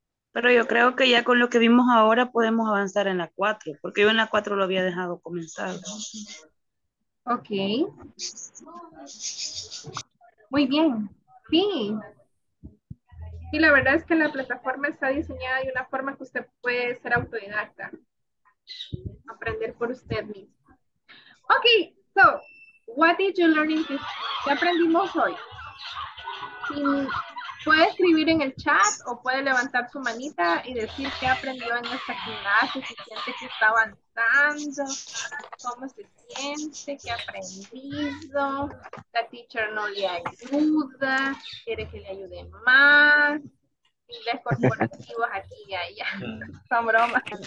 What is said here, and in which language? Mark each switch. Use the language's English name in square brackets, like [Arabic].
[Spanish] Pero yo creo que ya con lo que vimos ahora podemos avanzar en la 4, porque yo en la 4 lo había dejado comenzado. Ok. Muy bien. Sí. Sí, la verdad es que la plataforma está diseñada de una forma que usted puede ser autodidacta. Aprender por usted mismo. [English] Ok, so, what did you learn in this? [Spanish] ¿Qué aprendimos hoy? Si puede escribir en el chat o puede levantar su manita y decir qué aprendió en esta clase, si siente que está avanzando, cómo se siente, qué ha aprendido, la teacher no le ayuda, quiere que le ayude más, inglés corporativo aquí y allá, son bromas.